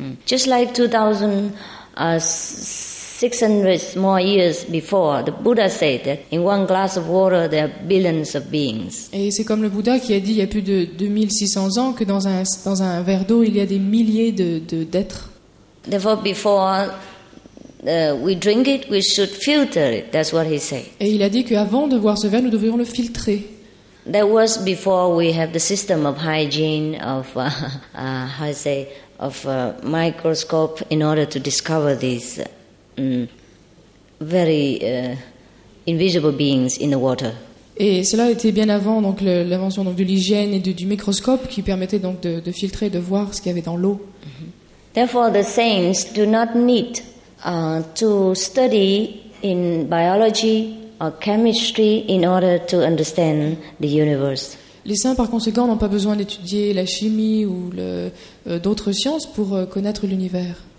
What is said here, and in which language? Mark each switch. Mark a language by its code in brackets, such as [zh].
[en] Just like 2,600 more years before, the Buddha said that in one glass of water there are billions of beings. [fr] Et c'est comme le Bouddha qui a dit il y a plus de 2,600 ans que dans un verre d'eau il y a des milliers d'êtres. [en] Therefore, before we drink it, we should filter it. That's what he said. [fr] Et il a dit qu'avant de boire ce verre, nous devrions le filtrer. [en] That was before we have the system of hygiene of microscope in order to discover these invisible beings in the water. [fr] Et cela était bien avant donc l'invention donc de l'hygiène et du microscope qui permettait donc de filtrer de voir ce qu'il y avait dans l'eau. [en] Therefore, the saints do not need to study in biology or chemistry in order to understand the universe. [fr] Les saints, par conséquent, n'ont pas besoin d'étudier la chimie ou d'autres sciences pour connaître l'univers.